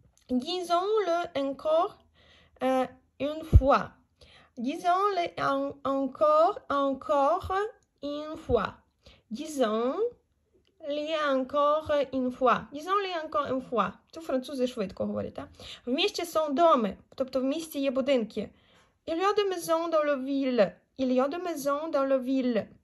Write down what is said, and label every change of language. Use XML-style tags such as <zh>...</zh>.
<fr>Disons-le encore une fois. Disons-le encore une fois. Disons-le encore une fois. Disons-le encore une fois.</fr> <uk>Тут французи швидко говорять. В місті є доми, тобто в місті є будинки.</uk> <fr>Il y a des maisons dans la ville. Il y a des maisons dans la ville.</fr>